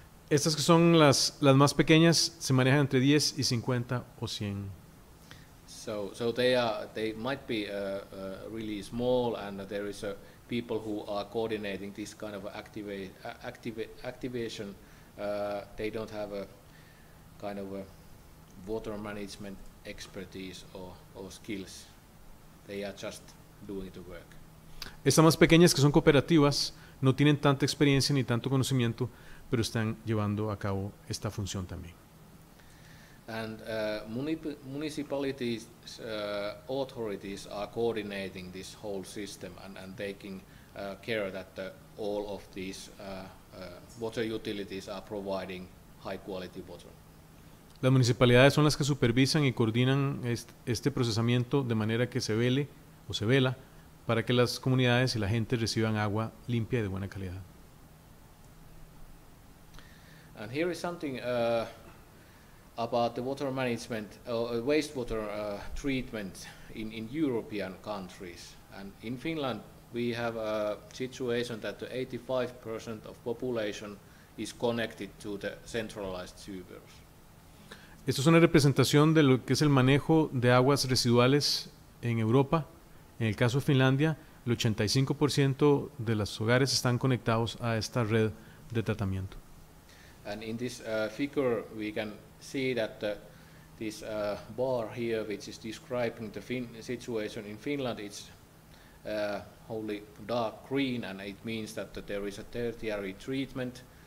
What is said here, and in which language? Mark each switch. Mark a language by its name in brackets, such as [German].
[Spanish] Estas que son las más pequeñas se manejan entre 10 y 50 o 100. [English] So they might be really small, and there is people who are coordinating this kind of activation. They don't have a kind of a water management expertise or skills. They are just doing the work. [Spanish] Estas más pequeñas que son cooperativas no tienen tanta experiencia ni tanto conocimiento, pero están llevando a cabo esta función también. [English] And municipalities authorities are coordinating this whole system and taking care that all of these water utilities are providing high quality water. [Spanish] Las municipalidades son las que supervisan y coordinan este procesamiento de manera que se vele o se vela para que las comunidades y la gente reciban agua limpia y de buena calidad. [English] And here is something about the water management, wastewater treatment in European countries. And in Finland, we have a situation that 85% of population is connected to the centralized sewers. [Spanish] Esto es una representación de lo que es el manejo de aguas residuales en Europa. En el caso de Finlandia, el 85% de los hogares están conectados a esta red de tratamiento. [English] And in this figure, we can see that this bar here, which is describing the situation in Finland, it's wholly dark green, and it means that there is a tertiary treatment.